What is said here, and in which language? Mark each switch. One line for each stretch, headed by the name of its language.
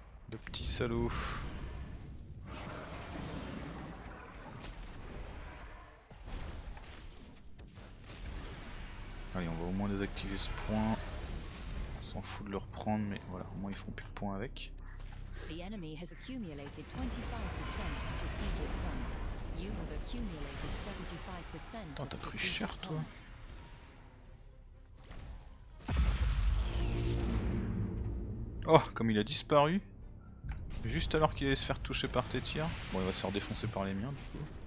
French: Le petit salaud. Allez, on va au moins désactiver ce point. On s'en fout de le reprendre, mais voilà, au moins ils feront plus de points avec.
English: The enemy has accumulated 25% of strategic points. You have accumulated 75% of strategic points.
French: Attends, t'as pris cher toi. Oh, comme il a disparu. Juste alors qu'il allait se faire toucher par tes tirs. Bon, il va se faire défoncer par les miens du coup.